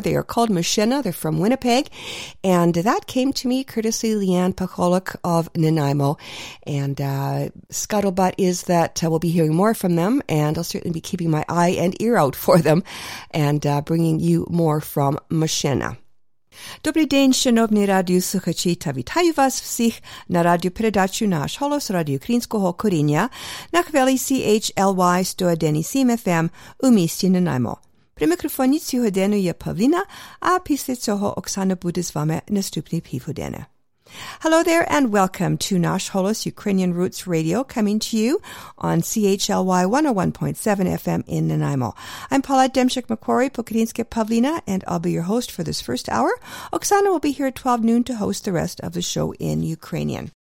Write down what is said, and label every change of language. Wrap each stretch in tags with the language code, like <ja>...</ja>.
<en>They are called Mishena, they're from Winnipeg, and that came to me courtesy Leanne Pacholik of Nanaimo, and scuttlebutt is that we'll be hearing more from them, and I'll certainly be keeping my eye and ear out for them, and bringing you more from Mishena.</en> <uk>Добрий день, шановні радіослухачі, та вітаю вас всіх на радіопередачі «Наш голос» радіо Українського коріння на хвилі CHLY 101.7 FM у місті Нанаймо. При мікрофоні цьогодні є Павліна, а після цього Оксана буде з вами наступні півгодини.</uk> <en>Hello there and welcome to Nash Holos Ukrainian Roots Radio coming to you on CHLY 101.7 FM in Nanaimo. I'm Paula Demchuk-Makori, Pokrinska Pavlina, and I'll be your host for this first hour. Oksana will be here at 12 noon to host the rest of the show in Ukrainian.</en>